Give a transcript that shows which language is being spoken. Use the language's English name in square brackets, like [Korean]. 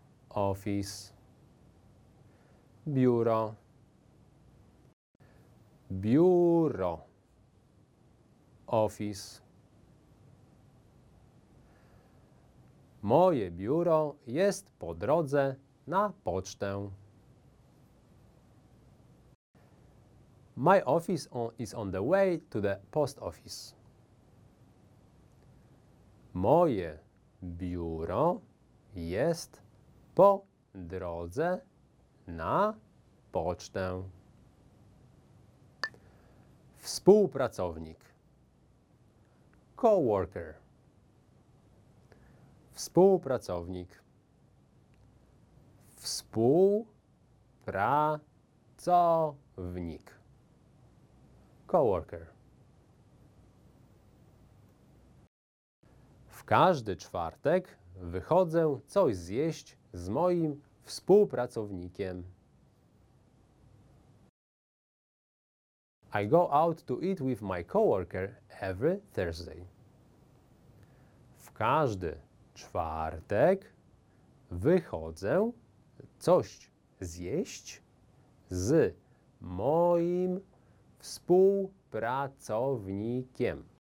[English] Office. Biuro. [Polish] Biuro. Office. Moje biuro jest po drodze na pocztę. [English] My office is on the way to the post office. [Polish] Moje biuro jest po drodze na pocztę. Współpracownik. Coworker. Współpracownik. Współpracownik. Pracownik. Coworker. W każdy czwartek wychodzę coś zjeść z moim współpracownikiem. [English] I go out to eat with my coworker every Thursday. [Polish] W każdy czwartek wychodzę coś zjeść z moim współpracownikiem.